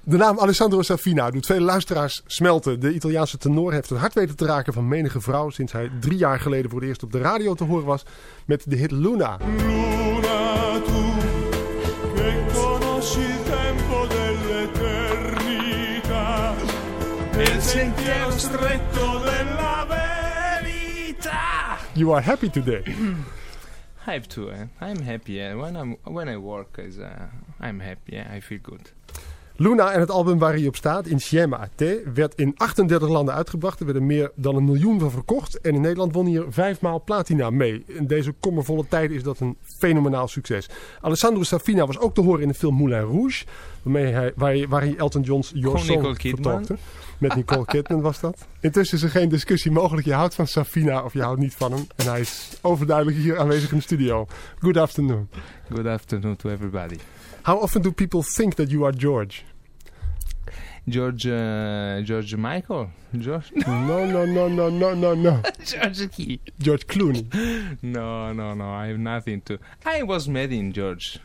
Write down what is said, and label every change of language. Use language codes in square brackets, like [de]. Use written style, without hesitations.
[nl] De naam Alessandro Safina doet vele luisteraars smelten. De Italiaanse tenor heeft het hart weten te raken van menige vrouw sinds hij 3 jaar geleden voor het eerst op de radio te horen was met de hit Luna. [it] Luna, tu, che conosci il tempo dell'eternità, il sentiero stretto della verità. [en] You are happy today. I have to. I'm happy. When I work, I'm happy. I feel good. [nl] Luna en het album waar hij op staat, Insieme a te, werd in 38 landen uitgebracht. Er werden meer dan 1 miljoen van verkocht. En in Nederland won hier 5 maal platina mee. In deze kommervolle tijd is dat een fenomenaal succes. Alessandro Safina was ook te horen in de film Moulin Rouge. Waar hij Elton John's Your Song vertolkte. Met Nicole Kidman was dat. Intussen is er geen discussie mogelijk. Je houdt van Safina of je houdt niet van hem. En hij is overduidelijk hier aanwezig in de studio. [en] Good afternoon. Good afternoon to everybody. How often do people think that you are George? George Michael? George? No. George Key. George Clooney. No. I have nothing to... I was mad in George.